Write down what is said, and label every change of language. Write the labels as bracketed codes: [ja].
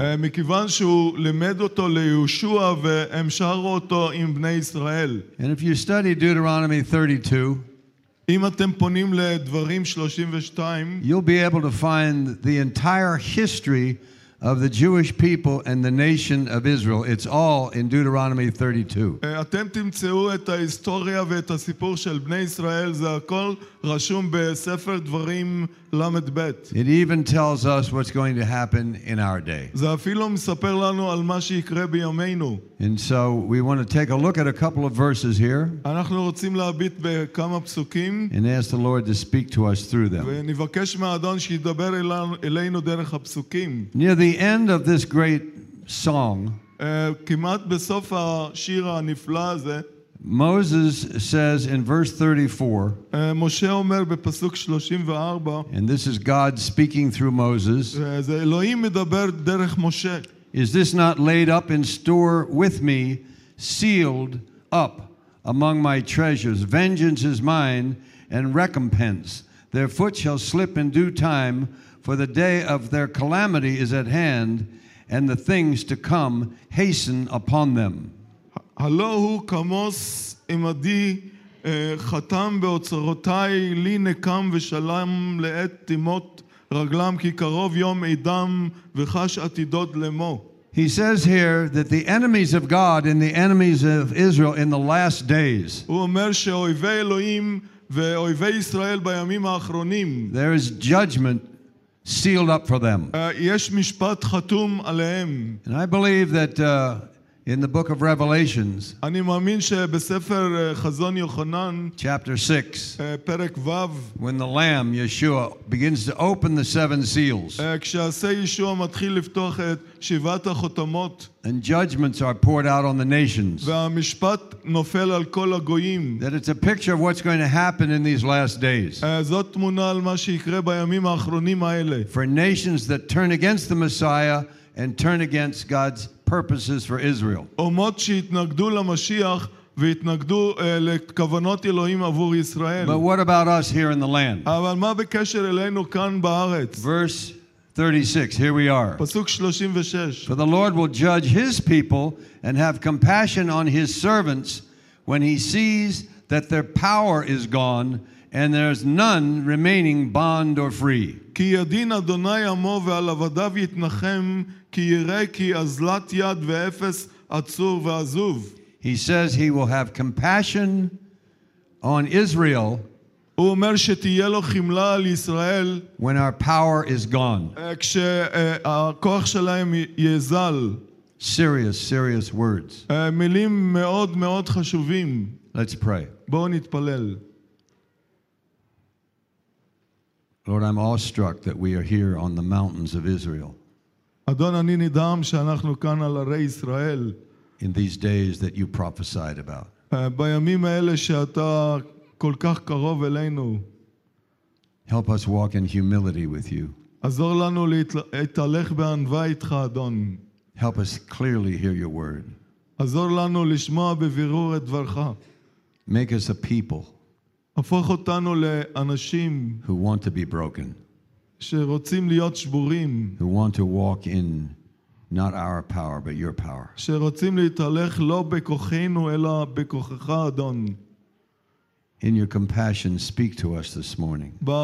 [en] And if you study Deuteronomy 32, [he] אם אתם פונים לדברים 32, [en] you'll be able to find the entire history of the Jewish people and the nation of Israel. It's all in Deuteronomy 32. [he] אתם תמצאו את ההיסטוריה ואת הסיפור של בני ישראל, זה הכל רשום בספר דברים למד בית. [en] It even tells us what's going to happen in our day. [he] זה אפילו מספר לנו על מה שיקרה בימינו. [en] And so we want to take a look at a couple of verses here. [he] אנחנו רוצים להביט בכמה פסוקים. [en] And ask the Lord to speak to us through them. [he] ונבקש מהאדון שידבר אלינו דרך הפסוקים. [en] Near the end of this great song, [he] כמעט בסוף השיר הנפלא הזה, [en] Moses says in verse 34, [he] Moshe אומר בפסוק 34, [en] and this is God speaking through Moses, [he] זה אלוהים מדבר דרך משה. [en] Is this not laid up in store with me, sealed up among my treasures? Vengeance is mine and recompense. Their foot shall slip in due time, for the day of their calamity is at hand, and the things to come hasten upon them. [he] הלא הוא כמוס עמדי חתם באוצרותיי לי נקם ושלם לעת תימות רגלם כי קרוב יום עידם וחש עתידות למו. [en] He says here that the enemies of God and the enemies of Israel in the last days. [he] הוא אומר שאויבי אלוהים ואויבי ישראל בימים האחרונים. [en] There is judgment sealed up for them. [he] יש משפט חתום עליהם. [en] And I believe that in the book of Revelations, [he] אני מאמין שבספר חזון יוחנן, [en] chapter 6, [he] פרק וב, [en] when the Lamb, Yeshua, begins to open the seven seals, [he] כשעשה ישוע מתחיל לפתוח את שבעת החותמות, [en] and judgments are poured out on the nations, [he] והמשפט נופל על כל הגויים, [en] that it's a picture of what's going to happen in these last days. [he] זאת תמונה על מה שיקרה בימים האחרונים האלה. [en] For nations that turn against the Messiah and turn against God's purposes for Israel. [he] אומות שיתנגדו למשיח ויתנגדו לכוונות אלוהים עבור ישראל. [en] But what about us here in the land? [he] אבל מה בקשר אלינו כאן בארץ? [en] Verse 36, here we are. [he] פסוק 36. [en] For the Lord will judge his people and have compassion on his servants when he sees that their power is gone and there's none remaining bond or free. [he] כי ידין אדוני עמו ועל עבדיו יתנחם כי יראה כי אזלת יד ואפס עצור ועזוב. [en] He says he will have compassion on Israel. [he] הוא אומר שתהיה לו חמלה על ישראל. [en] When our power is gone. [he] כשהכוח שלהם יזל. [en] Serious, serious words. [he] מילים מאוד מאוד חשובים. [en] Let's pray. [he] בואו נתפלל. [en] Lord, I'm awestruck that we are here on the mountains of Israel. [he] אדון, אני נדהם שאנחנו כאן על הרי ישראל. [en] In these days that you prophesied about. [he] בימים האלה שאתה כל כך קרוב אלינו. [en] Help us walk in humility with you. [he] עזור לנו להתהלך בענווה איתך, אדון. [en] Help us clearly hear your word. [he] עזור לנו לשמוע בבירור את דברך. [en] Make us a people. [he] הפוך אותנו לאנשים. [en] Who want to be broken. [he] שרוצים להיות שבורים. [en] Who want to walk in not our power but your power. [he] שרוצים להתהלך לא בכוחנו אלא בכוחך אדון. [en] In your compassion, speak to us this morning.